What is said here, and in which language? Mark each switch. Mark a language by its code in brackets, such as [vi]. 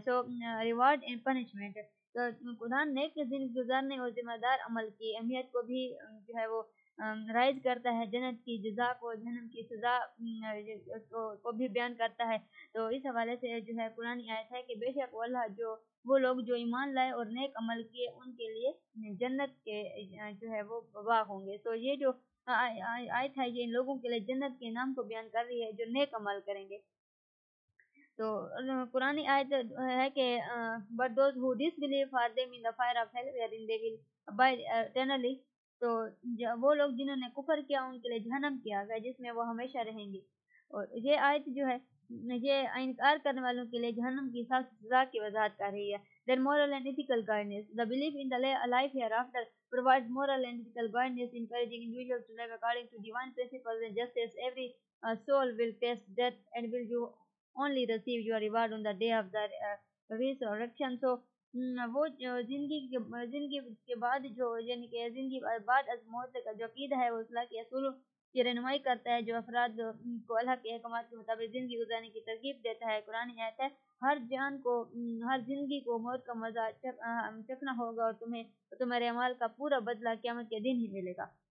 [en] so reward and punishment, [ur] تو قرآن نیک زندگی گزارنے اور ذمہ دار عمل کی اہمیت کو بھی جو ہے وہ رائج کرتا ہے, جنت کی جزا کو جہنم کی سزا کو بھی بیان کرتا ہے. تو اس حوالے سے جو ہے قرآن آیت ہے کہ بے شک اللہ جو وہ لوگ جو ایمان لائے اور نیک عمل کیے ان کے لیے جنت کے جو ہے وہ باغ ہوں گے. تو یہ جو آیت ہے یہ ان لوگوں کے لیے جنت کے نام کو بیان کر رہی ہے جو نیک عمل کریں گے. تو قرآن آیت ہے کہ [en] but those who disbelieve are them in the fire of hell wherein they will abide eternally. [ur] تو وہ لوگ جنہوں نے کفر کیا ان کے لئے جہنم کیا گیا جس میں وہ ہمیشہ رہیں گے. اور یہ آیت جو ہے یہ انکار کرنے والوں کے لئے جہنم کی سخت سزا کی وضاحت کر رہی ہے. [en] Then moral and ethical guidance, the belief in the life hereafter provides moral and ethical guidance encouraging individuals to live according to divine principles and justice. Every soul will taste death and will you only receive your reward on the day of the resurrection. [ur] So وہ زندگی کے بعد جو یعنی کہ زندگی بعد از موت کا جو عقیدہ ہے وہ اللہ کے اصولوں کی رہنمائی کرتا ہے, جو افراد کو اللہ کے احکامات کے مطابق زندگی گزارنے کی ترغیب دیتا ہے. قرآن آیت ہے, ہر زندگی کو موت کا مزہ چکھنا ہوگا اور تمہارے اعمال کا پورا بدلہ قیامت کے دن ہی ملے گا.